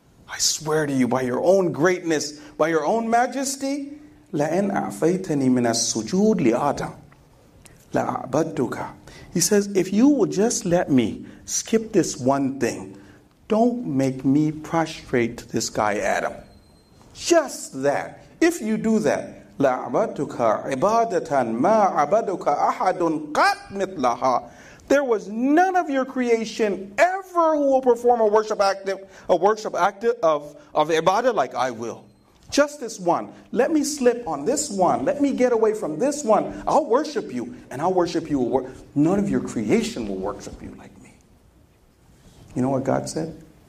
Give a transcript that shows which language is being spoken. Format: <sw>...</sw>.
<en>I swear to you, by your own greatness, by your own majesty,</en> <ar>لَأَنْ أَعْفَيْتَنِي مِنَ السُّجُودِ لِآدَمْ لَأَعْبَدُّكَ.</ar> <en>He says, if you will just let me skip this one thing, don't make me prostrate to this guy Adam. Just that. If you do that,</en> <ar>لَأَعْبَدُّكَ عِبَادَةً مَا عَبَدُكَ أَحَدٌ قَدْ مِثْلَهَا.</ar> <en>There was none of your creation ever who will perform a worship act of ibadah like I will. Just this one. Let me slip on this one. Let me get away from this one. I'll worship you, and I'll worship you. None of your creation will worship you like me. You know what God said?</en>